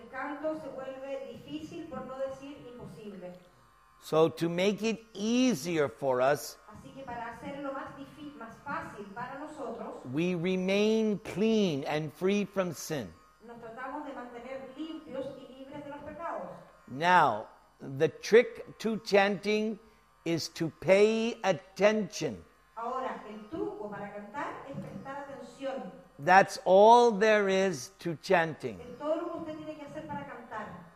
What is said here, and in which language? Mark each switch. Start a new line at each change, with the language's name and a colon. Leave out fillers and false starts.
Spanish: El canto se vuelve difícil, por no decir imposible.
English: So to make it easier for us,
Spanish: así que para hacerlo más fácil para nosotros,
English: we remain clean and free from sin.
Spanish: Nos tratamos de mantener limpios y libres de los pecados.
English: Now, the trick to chanting is to pay attention.
Spanish: Ahora, el truco para cantar es prestar atención.
English: That's all there is to chanting.
Spanish: Es todo lo que usted tiene que hacer para cantar.